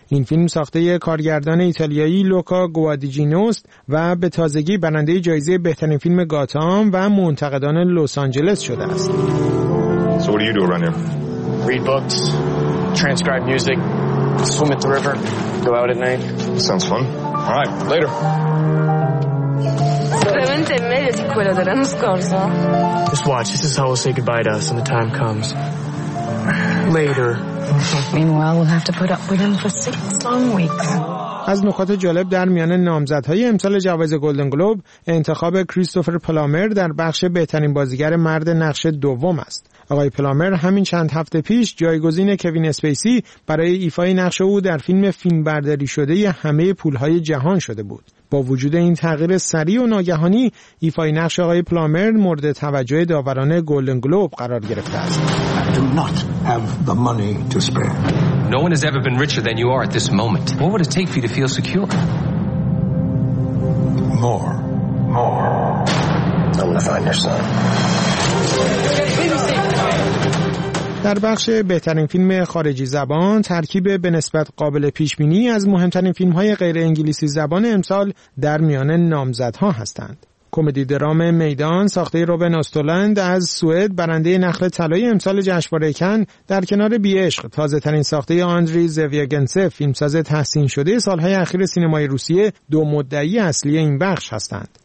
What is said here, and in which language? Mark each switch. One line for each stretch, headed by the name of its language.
Persian: این فیلم ساخته کارگردان ایتالیایی لوکا گوادیجینوست و به تازگی برنده جایزه بهترین فیلم گاتام و منتقدان لس آنجلس شده است.
English: Read books, transcribe music, swim at the river, go out at night. Sounds fun. All right, later.
Italian: Veramente meglio di quello dell'anno scorso.
English: Just watch. This is how we'll say goodbye to us when the time comes. later. Meanwhile, we'll have to put up with him for 6 long weeks.
Persian: از نکات جالب در میان نامزدهای امسال جوایز گلدن گلوب انتخاب کریستوفر پلامر در بخش بهترین بازیگر مرد نقش دوم است. آقای پلامر همین چند هفته پیش جایگزین کوین اسپیسی برای ایفای نقش او در فیلمبرداری شده همه پولهای جهان شده بود. با وجود این تغییر سریع و ناگهانی، ایفای نقش آقای پلامر مورد توجه داوران گلدن گلوب قرار گرفته است.
English: No one has ever been richer than you are at this moment. What would it take for you to feel secure? More. More. I'm going to find your son.
Persian: در بخش بهترین فیلم خارجی زبان، ترکیب به نسبت قابل پیشبینی از مهمترین فیلم‌های غیر انگلیسی زبان امسال در میان نامزدها هستند. کمدی درام میدان ساخته روبن استولند از سوئد برنده نخل طلای امسال جشنواره کن در کنار بی‌عشق تازه‌ترین ساخته آندری زویاگنسف فیلمساز تحسین شده سال‌های اخیر سینمای روسیه دو مدعی اصلی این بخش هستند.